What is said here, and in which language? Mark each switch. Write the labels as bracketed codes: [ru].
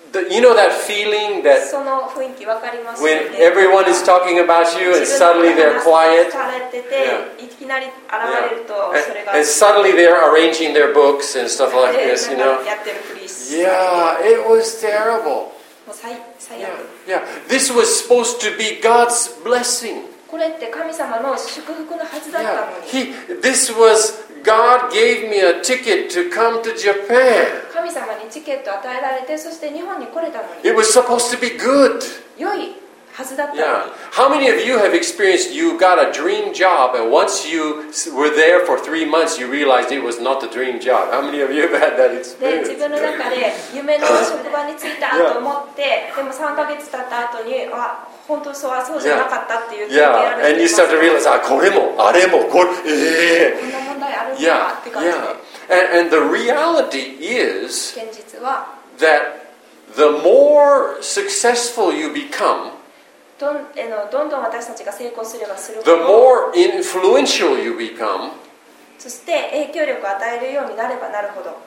[en] You know that feeling that when everyone is talking about you and suddenly they're quiet? Yeah. Yeah. And suddenly they're arranging their books and stuff like this, you know? Yeah, it was terrible. Yeah. Yeah. This was supposed to be God's blessing. [ja] これって神様の祝福のはずだったのに。 [en] Yeah. This was God gave me a ticket to come to Japan. [ja] 神様にチケットを与えられて、そして日本に来れたのに。 [en] It was supposed to be good. [ja] 良いはずだったのに。 [en] Yeah. How many of you have experienced you got a dream job and once you were there for 3 months you realized it was not the dream job? How many of you have had that experience? [ja] 自分の中で夢の職場に着いたと思って、でも3ヶ月経った後に、本当そうはそうじゃなかったっていう経験ある。 [en] And you start to realize, [ja] これもあれもこれ、こんな問題あるんだって感じで。 [en] And the reality is [ja] 現実は [en] that The more successful you become, [ja] どんどん私たちが成功すればするほど、 [en] the more influential you become, [ja] そして影響力を与えるようになればなるほど、